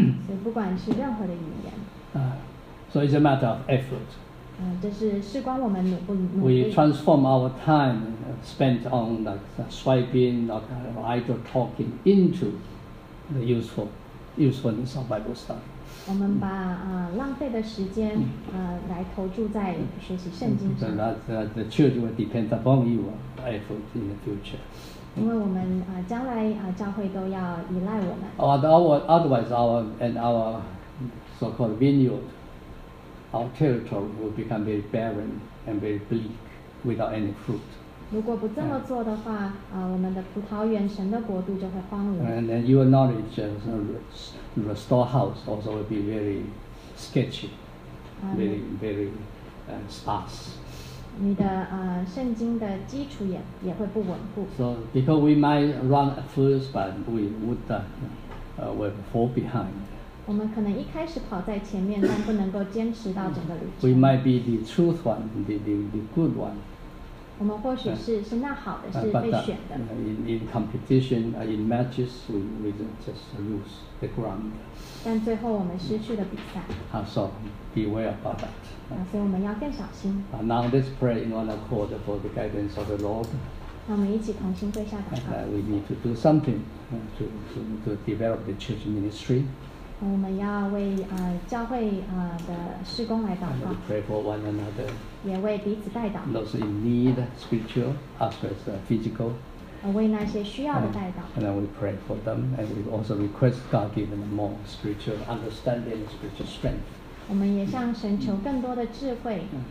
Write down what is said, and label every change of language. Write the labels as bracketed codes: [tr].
[zh] 所以不管是任何的语言。 [en] So it's a matter of effort. [zh] 这是事关我们努不努力。 [en] We transform our time spent on like swiping or idle talking into the usefulness of Bible study. [zh] 我们把浪费的时间来投注在学习圣经上。 [en] The church will depend upon your effort in the future. [zh] 因为我们将来教会都要依赖我们。 [en] Otherwise, our so-called vineyard, our territory will become very barren and very bleak without any fruit. [zh] 如果不这么做的话，我们的葡萄园神的国度就会荒芜。 [en] And then your knowledge as a storehouse also will be very sketchy, very very sparse. [zh] 你的圣经的基础也会不稳固。 [en] So because we might run at first, but we would we'll fall behind. [zh] 我们可能一开始跑在前面，但不能够坚持到整个旅程。 [en] We might be the truth one, the good one, [zh] 我们或许是是那好的，是被选的。 [en] In competition, in matches, we just lose the ground. [zh] 但最后我们失去了比赛。 [en] So beware about that. [zh] 所以我们要更小心。 [en] Now let's pray in one accord for the guidance of the Lord. [zh] 那我们一起同心跪下祷告。 [en] We need to do something to develop the church ministry. [zh] 我们要为教会的事工来祷告。 [en] And pray for one another. [zh] 也为彼此代祷。 [en] Those in need, spiritual as well as physical. [zh] 为那些需要的代祷。 [en] And then we pray for them, and we also request God give them more spiritual understanding and spiritual strength. [zh] 我们也向神求更多的智慧。